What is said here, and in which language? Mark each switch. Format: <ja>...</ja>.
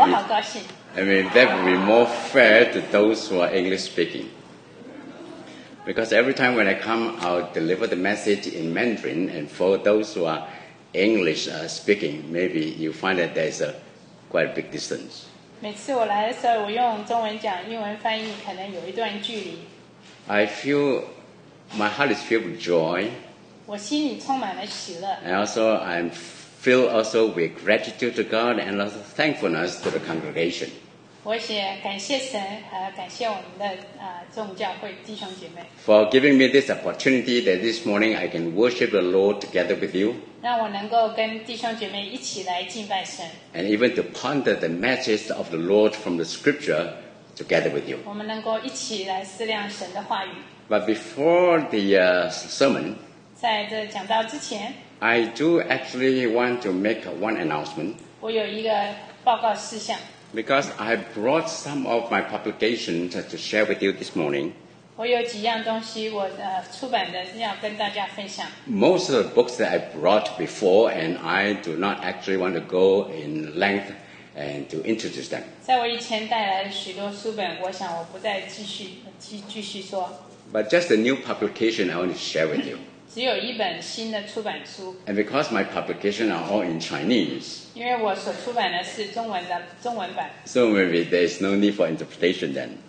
<zh>我好高兴。</zh> <en>I mean that would be more fair to those who are English speaking. Because every time when I come, I'll deliver the message in Mandarin, and for those who are English speaking, maybe you find that there's a quite a big distance.</en> <zh>每次我来的时候，我用中文讲，英文翻译可能有一段距离。</zh> <en>I feel my heart is filled with joy.</en> <zh>我心里充满了喜乐。</zh> <en>And also, I'm filled also with gratitude to God and also thankfulness to the congregation.</en> <zh>我也感谢神和感谢我们的众教会弟兄姐妹</zh> <en>for giving me this opportunity that this morning I can worship the Lord together with you.</en> <zh>让我能够跟弟兄姐妹一起来敬拜神</zh> <en>and even to ponder the message of the Lord from the Scripture together with you.</en> <zh>我们能够一起来思量神的话语</zh> <en>But before the sermon,</en> <zh>在这讲道之前</zh> <en>I do actually want to make one announcement.</en> <zh>我有一个报告事项。</zh> <en>Because I brought some of my publications to share with you this morning.</en> <zh>我有几样东西我出版的要跟大家分享。</zh> <en>Most of the books that I brought before, and I do not actually want to go in length and to introduce them.</en> <zh>在我以前带来的许多书本，我想我不再继续说。</zh> <en>But just a new publication I want to share with you.</en> <zh>只有一本新的出版书。</zh> <en>And because my publications are all in Chinese.</en> <zh>因为我所出版的是中文的中文版。</zh> <en>So maybe there is no need for interpretation then.</en>